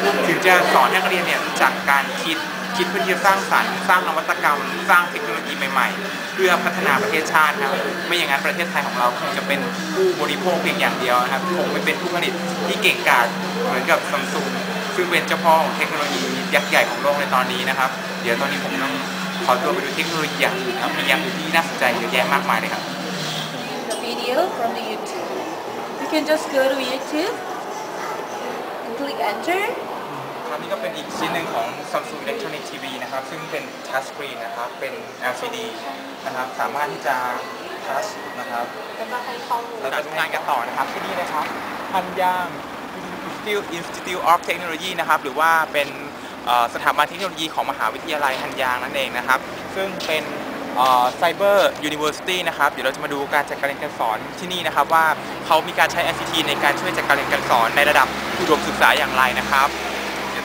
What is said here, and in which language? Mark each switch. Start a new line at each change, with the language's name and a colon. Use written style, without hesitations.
Thai: ถึงจะสอนให้นักเรียนเนี่ยรู้จักการคิดเพื่อที่จะสร้างสรรค์สร้างนวัตกรรมสร้างเทคโนโลยีใหม่ๆเพื่อพัฒนาประเทศชาติครับไม่อย่างนั้นประเทศไทยของเราคงจะเป็นผู้บริโภคเพียงอย่างเดียวนะครับคงไม่เป็นผู้ผลิตที่เก่งกาจเหมือนกับซัมซุงซึ่งเป็นเจ้าพ่อของเทคโนโลยียักษ์ใหญ่ของโลกในตอนนี้นะครับเดี๋ยวตอนนี้ผมต้องขอตัวไปดูเทคโนโลยีอย่างอื่นครับมีอย่างอื่นที่น่าสนใจเยอะแยะมากมายเลยครับ
English: The video from the YouTube. You can just go to YouTube and click enter.
Thai: ครับนี่ก็เป็นอีกชิ้นหนึ่งของ Samsung Electronic TV นะครับซึ่งเป็น Touch Screen นะครับเป็น LCD นะครับสามารถที่จะ Touch นะครับแล้วก็ทำงานกันต่อนะครับที่นี่นะครับพันย่าง
English: Institute of Technology
Thai: นะครับหรือว่าเป็นสถาบันเทคโนโลยีของมหาวิทยาลัยฮันยางนั่นเองนะครับซึ่งเป็น
English: Cyber University
Thai: นะครับเดี๋ยวเราจะมาดูการจัดการเรียนการสอนที่นี่นะครับว่าเขามีการใช้ ICT ในการช่วยจัดการเรียนการสอนในระดับอุดมศึกษาอย่างไรนะครับเดี๋ยวเ